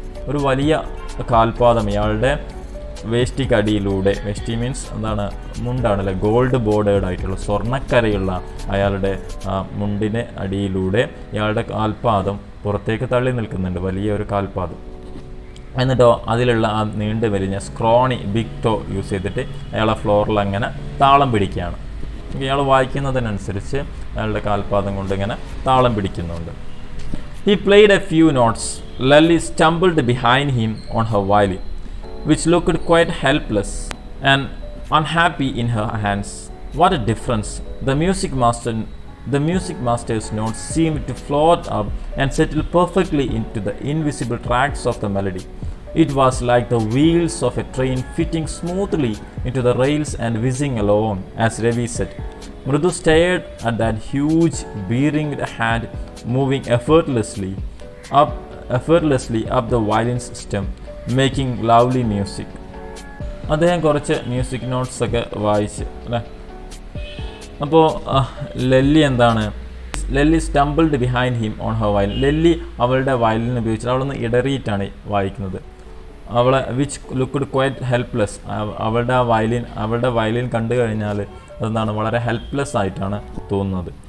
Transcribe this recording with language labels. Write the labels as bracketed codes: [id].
[ml] ഒരു വലിയ കാൽപാദം ഇയാളുടെ വേഷ്ടിക്കടിയിലൂടെ, വേഷ്ടി മീൻസ് എന്താണ് മുണ്ടാണല്ലേ, ഗോൾഡ് ബോർഡേർഡ് ആയിട്ടുള്ള സ്വർണ്ണക്കരയുള്ള അയാളുടെ ആ മുണ്ടിൻ്റെ അടിയിലൂടെ ഇയാളുടെ കാൽപാദം പുറത്തേക്ക് തള്ളി നിൽക്കുന്നുണ്ട്, വലിയ ഒരു കാൽപാദം. എന്നിട്ടോ അതിലുള്ള ആ നീണ്ടു വരിഞ്ഞ സ്ക്രോണി ബിഗ് ടോ യൂസ് ചെയ്തിട്ട് അയാളെ ഫ്ലോറിൽ അങ്ങനെ താളം പിടിക്കുകയാണ്. ഇയാൾ വായിക്കുന്നതിനനുസരിച്ച് അയാളുടെ കാൽപാദം കൊണ്ട് ഇങ്ങനെ താളം പിടിക്കുന്നുണ്ട്. [en] He played a few notes. Lally stumbled behind him on her violin, which looked quite helpless and unhappy in her hands. What a difference! The music master's notes seemed to float up and settle perfectly into the invisible tracks of the melody. It was like the wheels of a train fitting smoothly into the rails and whizzing along, as Ravi said. Mrudu stared at that huge, bearded hand moving effortlessly up the violin stem, making lovely music. [ml] അദ്ദേഹം കുറച്ച് music notes ഒക്കെ വായിച്ച് അല്ലേ. അപ്പോൾ ലെല്ലി എന്താണ്, [en] Lelly stumbled behind him on her violin. [ml] ലെല്ലി അവളുടെ violin ഉപയോഗിച്ച് അവളൊന്ന് ഇടറിയിട്ടാണ് വായിക്കുന്നത്. അവളെ [en] Which looked quite helpless. [ml] അവളുടെ വയലിൻ കണ്ടു കഴിഞ്ഞാൽ അതെന്താണ്, വളരെ ഹെൽപ്ലെസ് ആയിട്ടാണ് തോന്നുന്നത്.